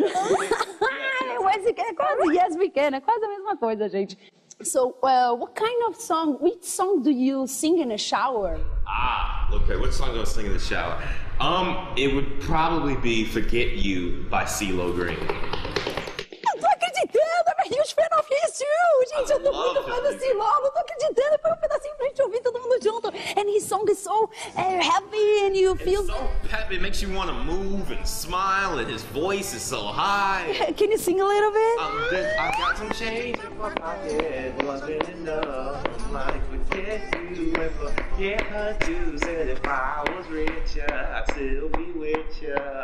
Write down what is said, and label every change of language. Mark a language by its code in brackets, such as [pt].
[en] Yes, we can. [pt] É quase a mesma coisa, gente. [en] So, what kind of song, which song do you sing in a shower? Ah, okay, what song do I sing in the shower? It would probably be Forget You by CeeLo Green. [pt] Eu tô acreditando, [en] I'm a huge fan of his too! [pt] Gente, eu tô muito fã do CeeLo, eu tô acreditando, foi um pedacinho pra gente ouvir todo mundo junto. [en] And his song is so happy and you feel... It's so happy, it makes you want to move and smile and his voice is so high. Can you sing a little bit? I've got some change in my head, wasn't enough. Like, forget you, and forget her too. Said if I was rich, I'd still be with you.